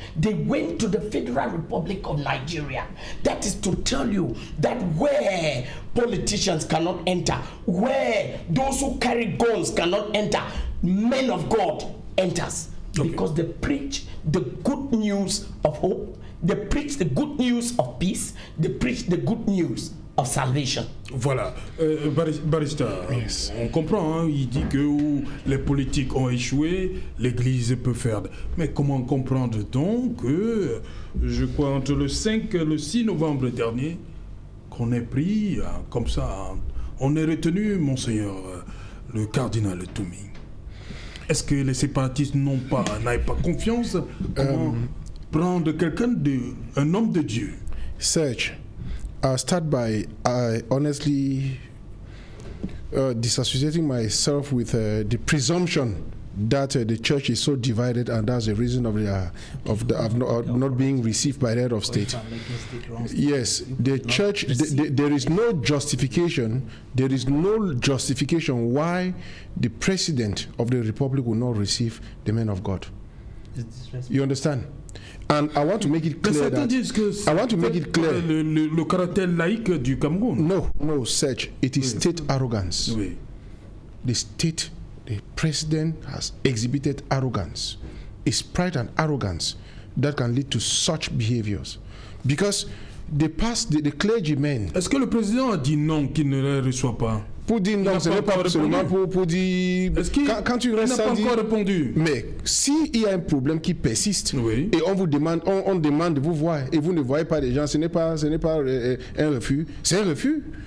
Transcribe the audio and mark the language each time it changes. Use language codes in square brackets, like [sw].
[en] They went to the Federal Republic of Nigeria. That is to tell you that where politicians cannot enter, where those who carry guns cannot enter, men of God enters. Okay. Because they preach the good news of hope, they preach the good news of peace, they preach the good news of salvation. [fr] Voilà. Barrister, [en] yes. [fr] On comprend, hein? Il dit que où les politiques ont échoué, l'Église peut faire. Mais comment comprendre donc que, je crois, entre le 5 et le 6 novembre dernier, qu'on est pris comme ça, on est retenu, Monseigneur le Cardinal Toumi. Est-ce que les séparatistes n'avaient pas confiance? Comment prendre quelqu'un, un homme de Dieu? [en] Serge, I'll start by honestly disassociating myself with the presumption that the church is so divided, and that's the reason of not being received by the head of state. Yes, the church, there is no justification. There is no justification why the president of the republic will not receive the men of God. You understand? And I want to make it clear [fr] le caractère laïque du Cameroun. [en] No, Serge, it is state arrogance. [fr] Oui. [en] The president has exhibited arrogance, his pride and arrogance that can lead to such behaviors. Because the clergymen. [fr] Est-ce que le président a dit non qu'il ne les reçoit pas? Pour dire non, ce n'est pas absolument pour dire. Est-ce qu'il n'a pas encore répondu? Mais s'il y a un problème qui persiste, oui. Et on demande de vous voir et vous ne voyez pas les gens, ce n'est pas un refus, c'est un refus.